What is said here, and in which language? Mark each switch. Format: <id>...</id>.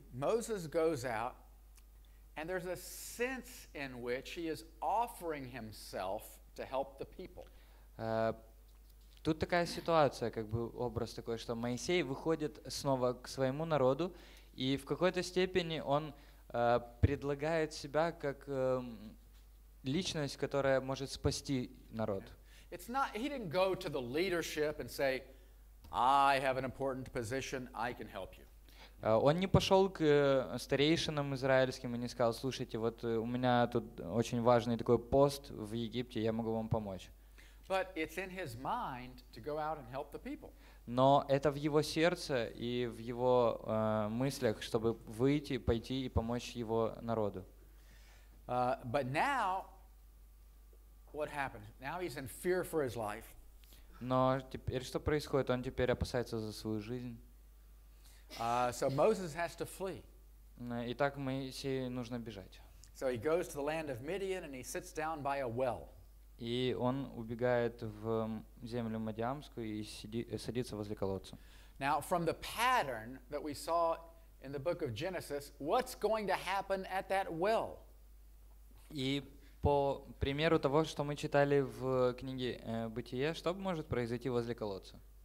<en>See, Moses goes out, and there's a sense in which he is offering himself to help the people.</en> <ru>Тут такая ситуация, как бы образ такой, что Моисей выходит снова к своему народу, и в какой-то степени он предлагает себя как личность, которая может спасти народ.</ru> <en>It's not, he didn't go to the leadership and say, "I have an important position, I can help you."</en> <ru>Он не пошел к старейшинам израильским и не сказал: "Слушайте, вот у меня тут очень важный такой пост в Египте, я могу вам помочь."</ru> <en>But it's in his mind to go out and help the people.</en> <ru>Но это в его сердце и в его мыслях, чтобы выйти, пойти и помочь его народу.</ru> <en>But now, what happens? Now he's in fear for his life.</en> <ru>Но теперь что происходит? Он теперь опасается за свою жизнь.</ru> <en>So Moses has to flee.</en> <ru>И так Моисею нужно бежать.</ru> <en>So he goes to the land of Midian and he sits down by a well.</en> <ru>И он убегает в землю Мадиамскую и садится возле колодца.</ru> <en>Now from the pattern that we saw in the book of Genesis, what's going to happen at that well?</en> <ru>И по примеру того, что мы читали в книге «Бытие», что может произойти возле колодца?</ru>